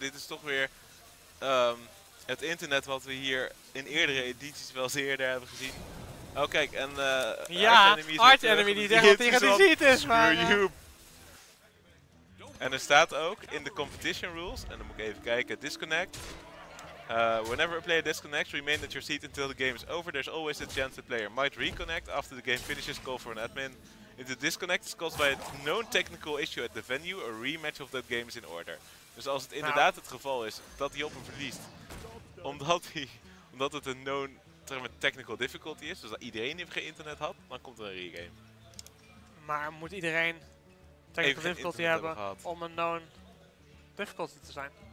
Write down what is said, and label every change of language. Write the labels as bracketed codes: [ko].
[nl] Dit is toch weer het internet wat we hier in eerdere edities wel zeerder hebben gezien. Oh kijk, en Arch Enemy die zegt dat hij gedeceived is, maar... En er staat ook in de competition rules, en dan moet ik even kijken, disconnect. [en] Whenever a player disconnects, remain at your seat until the game is over. There's always a chance the player might reconnect after the game finishes, call for an admin. If the disconnect is caused by a known technical issue at the venue, a rematch of that game is in order. [nl] Dus als het inderdaad het geval is dat hij op hem verliest, omdat het een known technical difficulty is, dus dat iedereen even geen internet had, dan komt er een regame. Maar moet iedereen... technical difficulty hebben om een known difficulty te zijn.